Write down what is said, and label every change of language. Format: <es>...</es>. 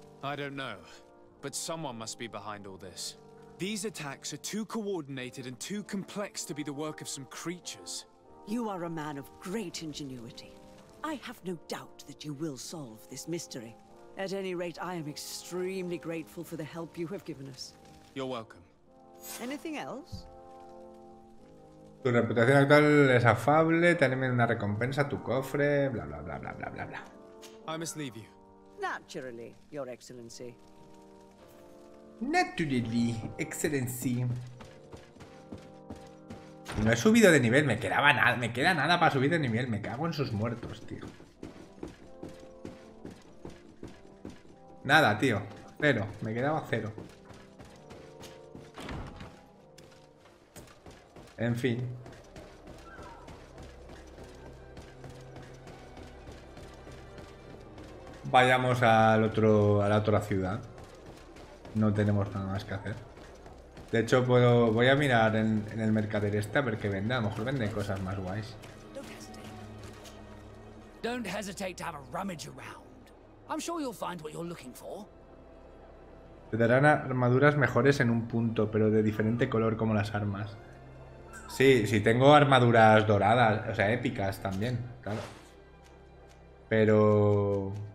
<en>I don't know, but someone must be behind all this. These attacks are too coordinated and too complex to be the work of some creatures. You are a man of great ingenuity. I have no doubt that you will solve this mystery. At any rate, I am extremely grateful for the help you have given us. You're welcome. Anything else?</en> <es>Tu reputación actual es afable, tenme una recompensa, tu cofre, bla bla bla bla bla bla bla.</es> <en>I must leave you. Naturally, Your Excellency. Naturally, Excellency.</en> <es>No he subido de nivel, me quedaba nada, me queda nada para subir de nivel, me cago en sus muertos, tío. Nada, tío. Cero, me quedaba cero. En fin. Vayamos al otro, a la otra ciudad. No tenemos nada más que hacer. De hecho, voy a mirar en el mercader este a ver qué vende. A lo mejor vende cosas más guays.</es> <en>Don't hesitate to have a rummage around. I'm sure you'll find what you're looking for.</en> <es>Te darán armaduras mejores en un punto, pero de diferente color como las armas. Sí, sí, tengo armaduras doradas, o sea, épicas también, claro. Pero...</es>